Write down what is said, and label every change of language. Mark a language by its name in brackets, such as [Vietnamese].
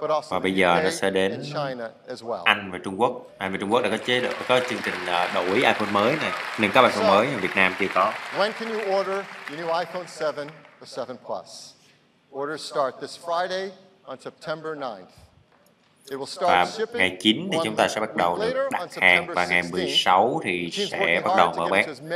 [Vietnamese] Và bây giờ nó sẽ đến Anh và Trung Quốc. Anh và Trung Quốc đã có chế độ, có chương trình đổi iPhone mới này. Nên các iPhone mới ở Việt Nam chưa có. [English] When can you order your new iPhone 7 or 7 Plus? Orders start this Friday on September 9th. [Vietnamese] Và ngày 9 thì chúng ta sẽ bắt đầu được đặt hàng và ngày 16 thì sẽ bắt đầu mở bán.